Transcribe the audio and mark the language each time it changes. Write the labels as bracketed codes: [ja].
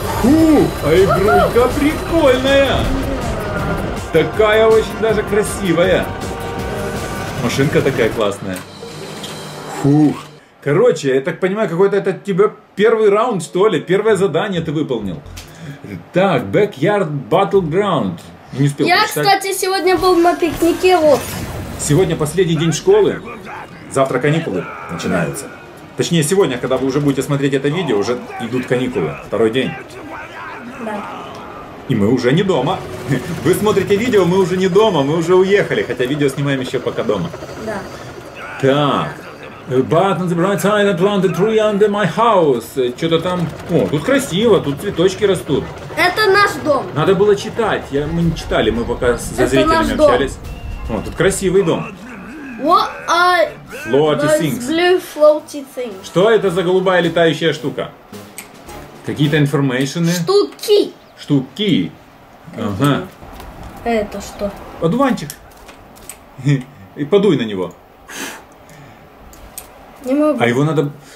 [ru] Фух, а игрушка прикольная. [en] Yeah. [ru] Такая очень даже красивая. Машинка такая классная. Фух. Короче, я так понимаю, какой-то это тебе первый раунд, что ли? Первое задание ты выполнил. Так, Backyard Battleground. Не успел я, кстати, сегодня был на пикнике, вот. Сегодня последний день школы. Завтра каникулы начинаются. Точнее, сегодня, когда вы уже будете смотреть это видео, уже идут каникулы. Второй день. Да. И мы уже не дома. Вы смотрите видео, мы уже не дома, мы уже уехали. Хотя видео снимаем еще пока дома. Да. Так. [en] But on the bright side, I planted tree under my house. [ru] Что-то там... О, тут красиво, тут цветочки растут. Это наш дом. Надо было читать. Мы не читали, мы пока за зрителями общались. О, тут красивый дом. [en] What are those blue floaty things? [ru] Что это за голубая летающая штука? Какие-то информейшены? Штуки. Штуки. Ага. Это что? Одуванчик. И подуй на него. Не могу. А его надо...